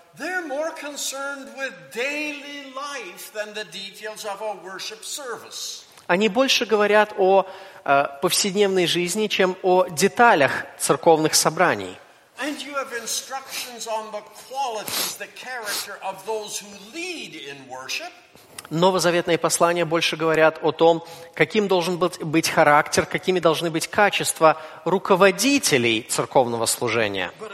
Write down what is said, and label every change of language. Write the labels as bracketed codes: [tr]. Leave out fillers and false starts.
[en] they're more concerned with daily life than the details of a worship service. [ru] Они больше говорят о повседневной жизни, чем о деталях церковных собраний. [en] And you have instructions on the qualities, the character of those who lead in worship. [ru] Новозаветные послания больше говорят о том, каким должен быть характер, какими должны быть качества руководителей церковного служения.